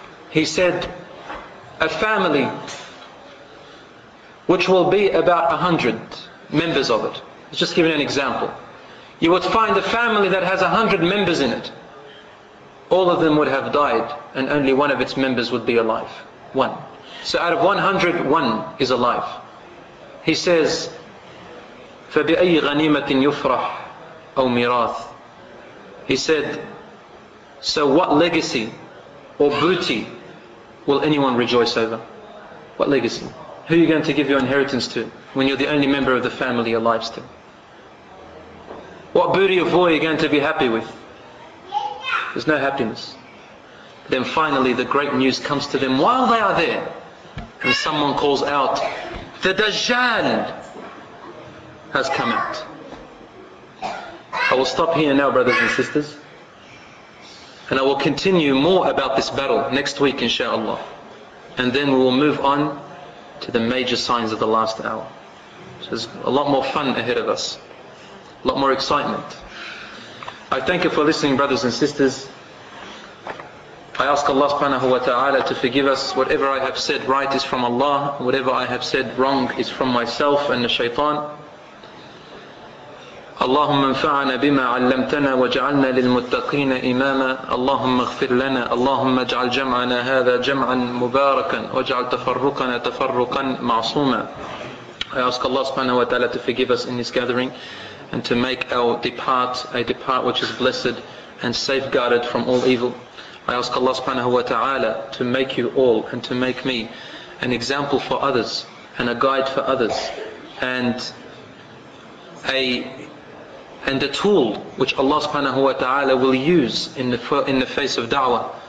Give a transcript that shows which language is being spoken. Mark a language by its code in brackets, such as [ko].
[en] He said, a family which will be about 100 members of it. Let's just give you an example. You would find a family that has 100 members in it. All of them would have died and only one of its members would be alive. One. So out of 100, one is alive. He says, [ar] فَبِأَيِّ غَنِيمَةٍ يُفْرَحْ أَوْ مِرَاثِ. [en] He said, so what legacy or booty will anyone rejoice over? What legacy? Who are you going to give your inheritance to when you're the only member of the family alive still? What booty of war are you going to be happy with? There's no happiness. Then finally the great news comes to them while they are there. And someone calls out, the Dajjal has come out. I will stop here now, brothers and sisters. And I will continue more about this battle next week, inshallah. And then we will move on to the major signs of the last hour. So there's a lot more fun ahead of us. A lot more excitement. I thank you for listening, brothers and sisters. I ask Allah subhanahu wa ta'ala to forgive us. Whatever I have said right is from Allah. Whatever I have said wrong is from myself and the shaytan. [ar] اللهم انفعنا بما علمتنا وجعلنا للمتقين إماما اللهم اغفر لنا اللهم اجعل جمعنا هذا جمعا مباركا واجعل تفرقنا تفرقا معصوما. [en] I ask Allah subhanahu wa ta'ala to forgive us in this gathering and to make our depart a depart which is blessed and safeguarded from all evil. I ask Allah subhanahu wa ta'ala to make you all and to make me an example for others and a guide for others and a tool which Allah subhanahu wa ta'ala will use in the face of da'wah.